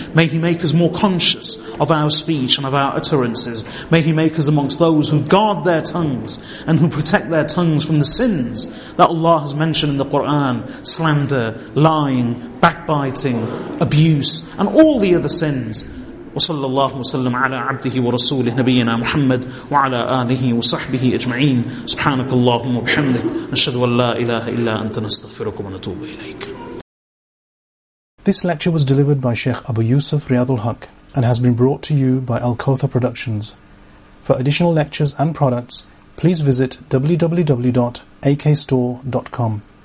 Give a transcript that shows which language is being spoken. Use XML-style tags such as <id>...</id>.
<en>May He make us more conscious of our speech and of our utterances. May He make us amongst those who guard their tongues and who protect their tongues from the sins that Allah has mentioned in the Quran. Slander, lying, backbiting, abuse, and all the other sins.</en> <ar>وصلى الله وسلم على عبده ورسوله نبينا محمد وعلى آله وصحبه أجمعين سبحانك اللهم وبحمدك نشهد أن لا إله إلا أنت نستغفرك ونتوب إليك.</ar> <en>This lecture was delivered by Sheikh Abu Yusuf Riyad al-Haq and has been brought to you by Al-Kawthar Productions. For additional lectures and products, please visit www.akstore.com.</en>